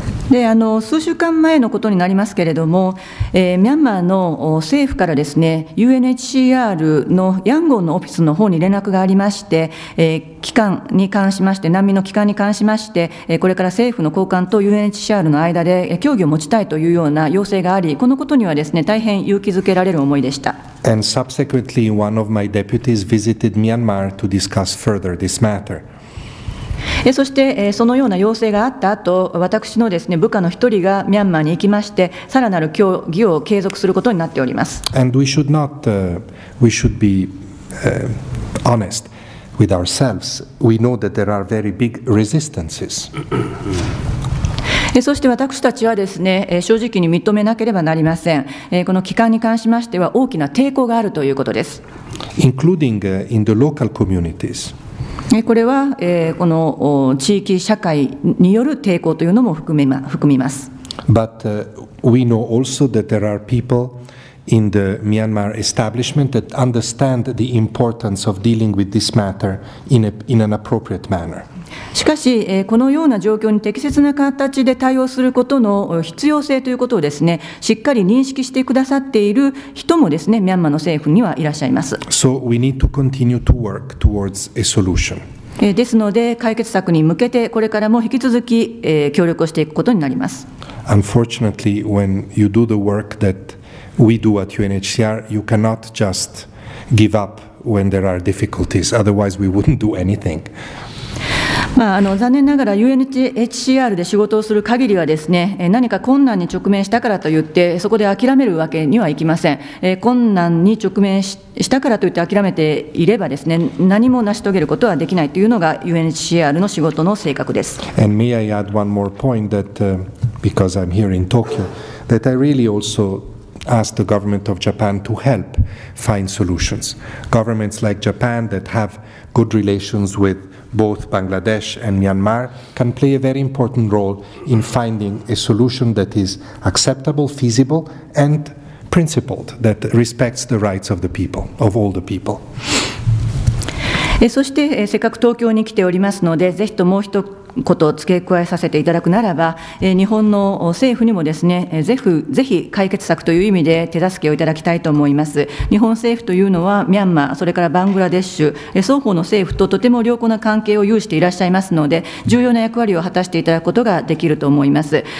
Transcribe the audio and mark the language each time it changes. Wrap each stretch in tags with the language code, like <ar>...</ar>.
<ja>で数週間前のことになりますけれども、ミャンマーの政府からですね、UNHCR のヤンゴンのオフィスの方に連絡がありまして、帰還に関しまして、難民の帰還に関しまして、これから政府の高官と UNHCR の間で協議を持ちたいというような要請があり、このことにはですね、大変勇気づけられる思いでした。</ja> <en>And subsequently, one of my deputies visited Myanmar to discuss further this matter.</en> <ja>そしてそのような要請があった後、私のですね、部下の一人がミャンマーに行きまして、さらなる協議を継続することになっております。</ja> <en>And we should not, we should be honest with ourselves. We know that there are very big resistances.</en> <ja>そして私たちはですね、正直に認めなければなりません。この帰還に関しましては大きな抵抗があるということです。</ja> <en>Including in the local communities.</en> <ja>これは、この地域社会による抵抗というのも含みます。</ja> <en>But, we know also that there are people in the Myanmar establishment that understand the importance of dealing with this matter in an appropriate manner.</en> <ja>しかし、このような状況に適切な形で対応することの必要性ということをですね、しっかり認識してくださっている人もですね、ミャンマーの政府にはいらっしゃいます。</ja> <en>So we need to continue to work towards a solution.</en> <ja>ですので、解決策に向けてこれからも引き続き協力をしていくことになります。</ja> <en>Unfortunately, when you do the work that we do at UNHCR, you cannot just give up when there are difficulties. Otherwise, we wouldn't do anything.</en> <ja>残念ながら UNHCR で仕事をする限りはですね、何か困難に直面したからといってそこで諦めるわけにはいきません。困難に直面したからといって諦めていればですね、何も成し遂げることはできないというのが UNHCR の仕事の性格です。</ja> <en>And may I add one more point that, because I'm here in Tokyo, that I really also ask the government of Japan to help find solutions. Governments like Japan that have good relations withBoth Bangladesh and Myanmar can play a very important role in finding a solution that is acceptable, feasible, and principled, that respects the rights of the people, of all the people.</en> <ja>そして、せっかく東京に来ておりますので、ぜひともう一言付け加えさせていただくならば、日本の政府にもですね、ぜひ解決策という意味で手助けをいただきたいと思います。日本政府というのは、ミャンマー、それからバングラデシュ、双方の政府ととても良好な関係を有していらっしゃいますので、重要な役割を果たしていただくことができると思います。</ja>